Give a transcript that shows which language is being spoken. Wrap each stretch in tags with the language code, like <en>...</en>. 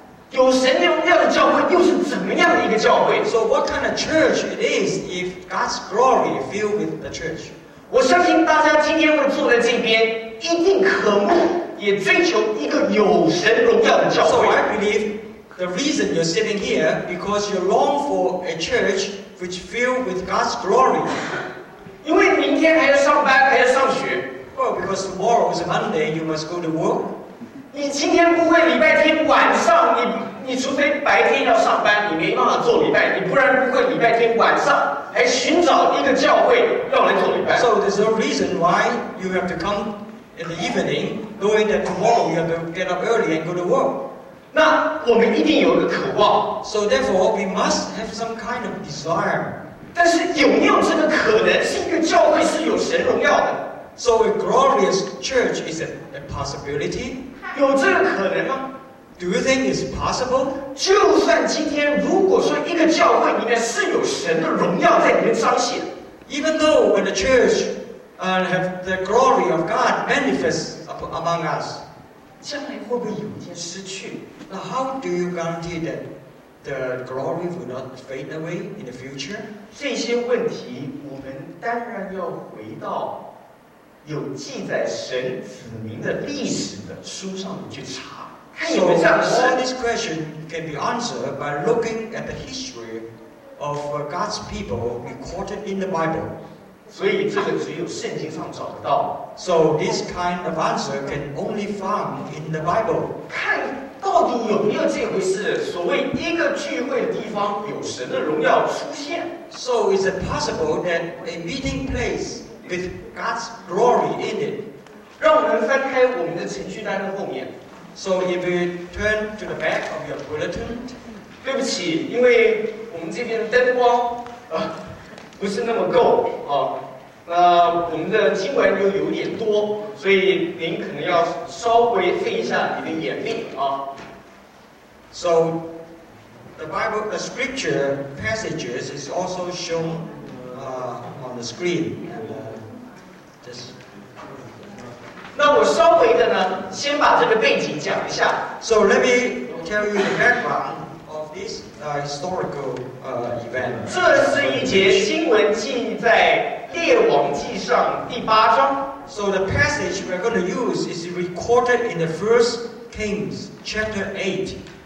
<zh>有神荣耀的教会又是怎么样的一个教会？</zh> <en>So what kind of church it is if God's glory filled with the church?</en> <zh>我相信大家今天会坐在这边，一定渴慕也追求一个有神荣耀的教会。</zh> <en>So I believe the reason you're sitting here because you long for a church which filled with God's glory.</en> <zh>因为明天还要上班，还要上学。</zh> <en>Well, because tomorrow is Monday, you must go to work.</en> <zh>你今天不会礼拜天晚上你除非白天要上班，你没办法做礼拜，你不然不会礼拜天晚上来寻找一个教会要来做礼拜。</zh> <en>So there's no reason why you have to come in the evening, knowing that tomorrow you have to get up early and go to work.</en> <zh>那我们一定有一个渴望。</zh> <en>So therefore we must have some kind of desire.</en> <zh>但是有没有这个可能是一个教会是有神荣耀的？</zh> <en>So a glorious church is a possibility.</en> <zh>有这个可能吗？</zh> <en>Do you think it's possible?</en> <zh>就算今天如果说一个教会里面是有神的荣耀在里面彰显，</zh> <en>Even though when the church have the glory of God manifest among us,</en> <zh>将来会不会有一天失去？</zh> <en>Now how do you guarantee that the glory will not fade away in the future?</en> <zh>这些问题我们当然要回到有记载神子民的历史的书上去查，看有没有这样的事。</zh> <en>So all this question can be answered by looking at the history of God's people recorded in the Bible.</en> <zh>所以这个只有圣经上找得到。</zh> <en>So this kind of answer can only found in the Bible.</en> <zh>看到底有没有这回事？所谓一个聚会的地方有神的荣耀出现。</zh> <en>So is it possible that a meeting place? With God's glory in it.</en> <zh>让我们翻开我们的程序单的后面。</zh> <en>So if you turn to the back of your bulletin,</en> <zh>对不起，因为我们这边灯光不是那么够，那我们的经文又有点多，所以您可能要稍微费一下您的眼力。So</zh> <en>the Bible, the scripture passages is also shown on the screen. And just</en> <zh>那我稍微的呢，先把这个背景讲一下。</zh> <en>So let me tell you the background of this historical event.</en> <zh>这是一节经文记在列王记上第八章。</zh> <en>So the passage we're going to use is recorded in the First Kings chapter 8.</en>